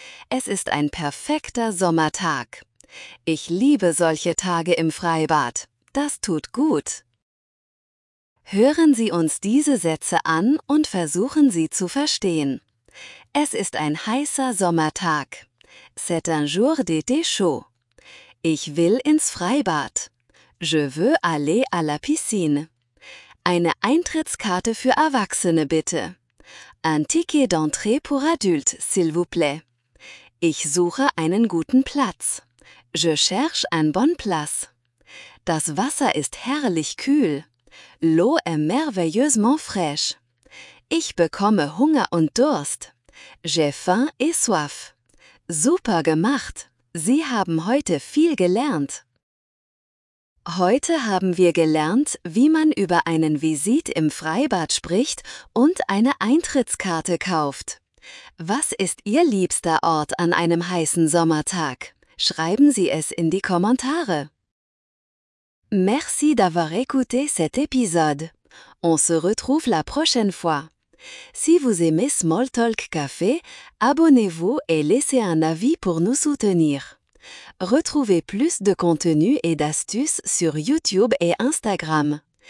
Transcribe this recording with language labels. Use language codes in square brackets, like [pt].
[de] Es ist ein perfekter Sommertag. Ich liebe solche Tage im Freibad. Das tut gut. Hören Sie uns diese Sätze an und versuchen Sie zu verstehen. Es ist ein heißer Sommertag. [fr] C'est un jour d'été chaud. [de] Ich will ins Freibad. [fr] Je veux aller à la piscine. [de] Eine Eintrittskarte für Erwachsene, bitte. [fr] Un ticket d'entrée pour adulte, s'il vous plaît. [de] Ich suche einen guten Platz. [fr] Je cherche un bon place. [de] Das Wasser ist herrlich kühl. [fr] L'eau est merveilleusement fraîche. [de] Ich bekomme Hunger und Durst. [fr] J'ai faim et soif. [de] Super gemacht. Sie haben heute viel gelernt. Heute haben wir gelernt, wie man über einen Visit im Freibad spricht und eine Eintrittskarte kauft. Was ist Ihr liebster Ort an einem heißen Sommertag? Schreiben Sie es in die Kommentare. [fr] Merci d'avoir écouté cet épisode. On se retrouve la prochaine fois. Si vous aimez Smalltalk Café, abonnez-vous et laissez un avis pour nous soutenir. Retrouvez plus de contenu et d'astuces sur YouTube et Instagram.